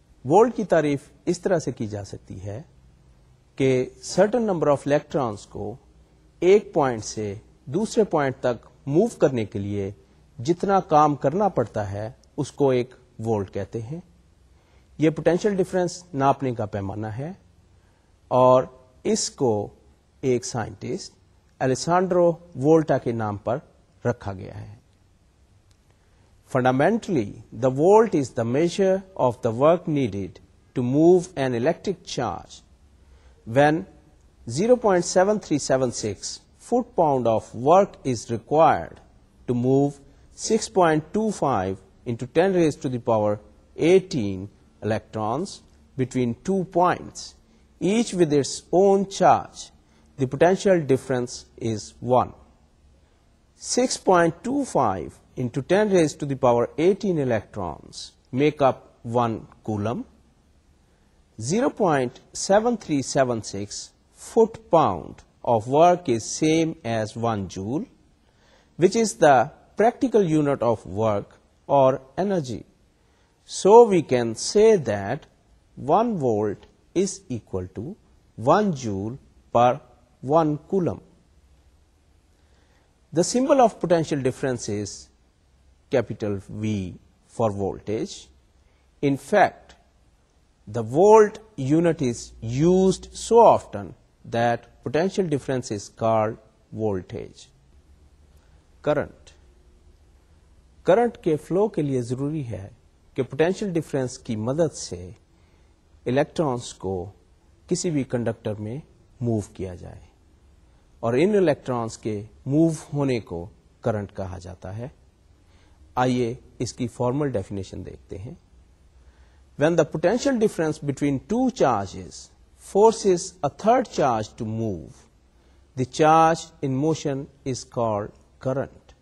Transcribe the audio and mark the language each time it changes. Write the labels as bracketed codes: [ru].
[ur] Volt کی تعریف اس طرح سے کی جا سکتی ہے کہ سرٹن نمبر آف الیکٹرانس کو ایک پوائنٹ سے دوسرے پوائنٹ تک موو کرنے کے لیے جتنا کام کرنا پڑتا ہے اس کو ایک وولٹ کہتے ہیں. یہ پوٹینشیل ڈفرینس ناپنے کا پیمانہ ہے اور اس کو ایک سائنٹسٹ الیسانڈرو وولٹا کے نام پر رکھا گیا ہے. [en] Fundamentally the volt is the measure of the work needed to move an electric charge when 0.7376 foot pound of work is required to move 6.25 into 10 raise to the power 18 electrons between two points each with its own charge. The potential difference is 1. 6.25 into 10 raise to the power 18 electrons make up 1 coulomb. 0.7376 foot pound of work is same as 1 joule which is the practical unit of work or energy. So we can say that 1 volt is equal to 1 joule per 1 coulomb. The symbol of potential difference is capital V for voltage. In fact the volt unit is used so often that potential difference is called voltage. Current. [ur] Current کے flu کے لیے ضروری ہے کہ potential difference کی مدد سے الیکٹرانس کو کسی بھی کنڈکٹر میں موو کیا جائے اور ان الیکٹرانس کے موو ہونے کو کرنٹ کہا جاتا ہے. آئیے اس کی فارمل ڈیفینیشن دیکھتے ہیں. [en] When the potential difference between two charges forces a third charge to move the charge in motion is called current.